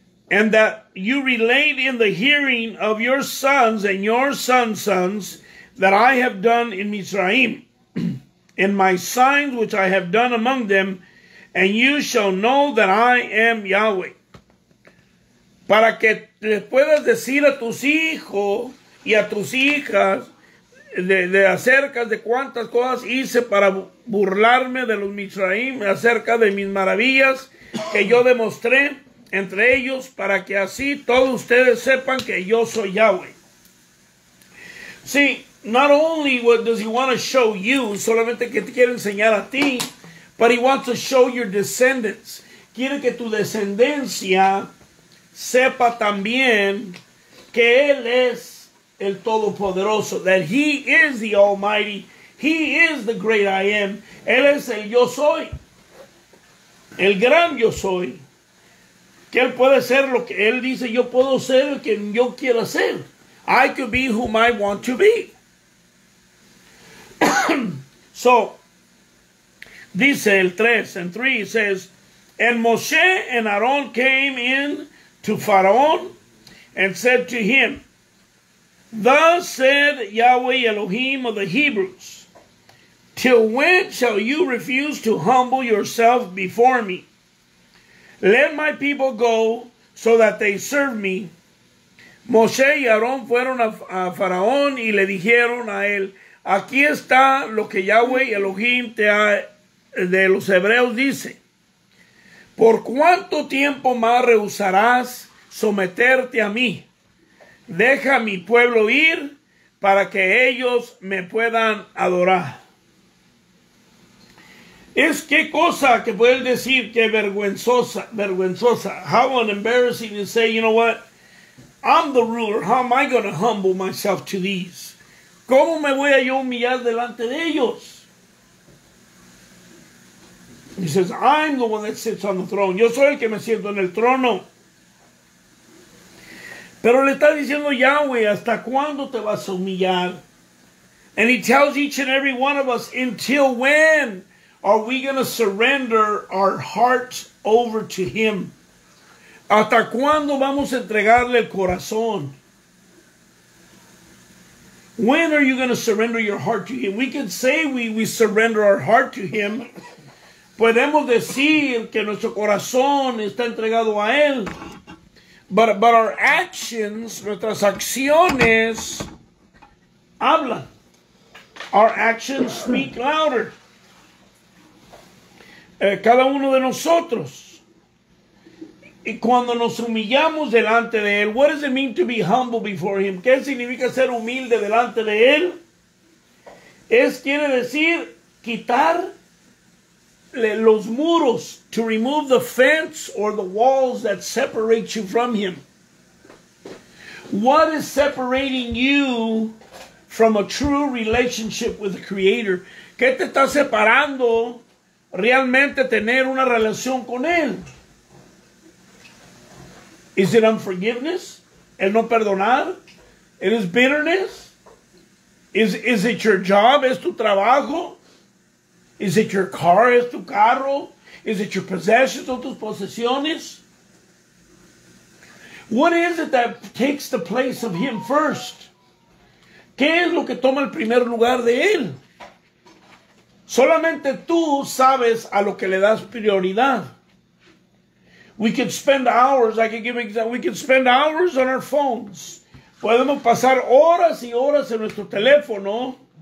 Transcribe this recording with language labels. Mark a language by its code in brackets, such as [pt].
[en] And that you relate in the hearing of your sons and your sons' sons that I have done in Mizraim, and my signs which I have done among them, and you shall know that I am Yahweh. [es] Para que le puedas decir a tus hijos y a tus hijas de acerca de cuántas cosas hice para burlarme de los Mizraim, acerca de mis maravillas que yo demostré entre ellos, para que así todos ustedes sepan que yo soy Yahweh. [en] See, not only what does he want to show you, [es] solamente que te quiere enseñar a ti, [en] but he wants to show your descendants. [es] Quiere que tu descendencia sepa también que él es el Todopoderoso. [en] That he is the Almighty. He is the great I am. [es] Él es el yo soy. El gran yo soy. Que él puede ser lo que él dice, yo puedo ser el que yo quiera ser. [en] I could be whom I want to be. So, [es] dice el [en] 3 and 3, it says, and Moshe and Aaron came in to Pharaoh and said to him, thus said Yahweh Elohim of the Hebrews, till when shall you refuse to humble yourself before me? Let my people go so that they serve me. [es] Moshe y Aarón fueron a Faraón y le dijeron a él, aquí está lo que Yahweh Elohim te ha, de los hebreos dice. ¿Por cuánto tiempo más rehusarás someterte a mí? Deja a mi pueblo ir para que ellos me puedan adorar. Es qué cosa que puede decir que vergüenzosa, vergüenzosa. [en] How embarrassing to say, you know what? I'm the ruler. How am I going to humble myself to these? [es] ¿Cómo me voy a yo humillar delante de ellos? [en] He says, I'm the one that sits on the throne. [es] Yo soy el que me siento en el trono. Pero le está diciendo Yahweh, ¿hasta cuándo te vas a humillar? [en] And he tells each and every one of us, until when? Are we going to surrender our hearts over to him? [es] ¿Hasta cuándo vamos a entregarle el corazón? [en] When are you going to surrender your heart to him? We can say we surrender our heart to him. [es] Podemos decir que nuestro corazón está entregado a él. [en] But our actions, [es] nuestras acciones, hablan. [en] Our actions speak louder. [es] Cada uno de nosotros. Y cuando nos humillamos delante de él, [en] what does it mean to be humble before him? [es] ¿Qué significa ser humilde delante de él? Es, quiere decir, quitar los muros, [en] to remove the fence or the walls that separate you from him. What is separating you from a true relationship with the Creator? [es] ¿Qué te está separando realmente tener una relación con él? [en] Is it unforgiveness? [es] ¿El no perdonar? [en] ¿It is bitterness? Is it your job? [es] ¿Es tu trabajo? [en] ¿Is it your car? [es] ¿Es tu carro? [en] Is it your possessions or [es] tus posesiones? [en] What is it that takes the place of him first? [es] ¿Qué es lo que toma el primer lugar de él? Solamente tú sabes a lo que le das prioridad. [en] We could spend hours, I can give an example, we could spend hours on our phones. [es] Podemos pasar horas y horas en nuestro teléfono.